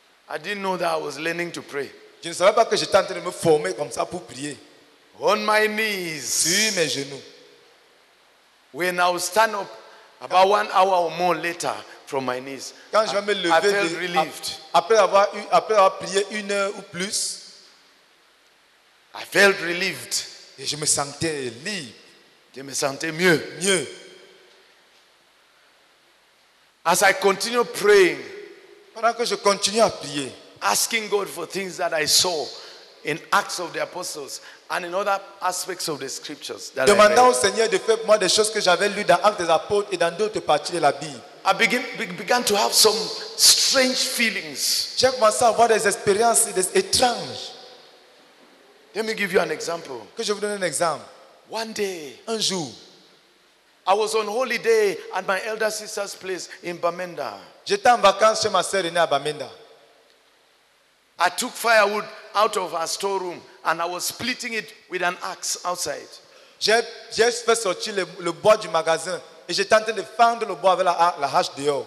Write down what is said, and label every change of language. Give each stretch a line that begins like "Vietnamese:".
English: I didn't know that I was learning to pray.
French: Je ne savais pas que j'étais en train de me former comme ça pour prier.
English: On my knees.
French: Sur mes genoux.
English: When I would stand up, about 1 hour or more later, from my knees.
French: Quand je vais me lever,
English: I felt relieved.
French: Après avoir prié 1 heure ou plus,
English: I felt relieved.
French: Et je me sentais libre. Je me sentais mieux. Mieux.
English: As I continue praying,
French: pendant que je continue à prier,
English: asking God for things that I saw in Acts of the Apostles and in other aspects of the scriptures that
French: demandant
English: I
French: au Seigneur de faire pour moi des choses que j'avais lues dans Actes des Apôtres et dans d'autres parties de la Bible,
English: I began to have some strange feelings.
French: J'ai commencé à avoir des expériences étranges.
English: Let me give you an example.
French: Que je vous donne un exemple.
English: One day,
French: un jour,
English: I was on holiday at my elder sister's place in Bamenda.
French: J'étais en vacances chez ma sœur aînée à Bamenda.
English: I took firewood out of our storeroom and I was splitting it with an axe outside.
French: J'ai fait sortir le bois du magasin et j'étais en train de fendre le bois avec la hache dehors.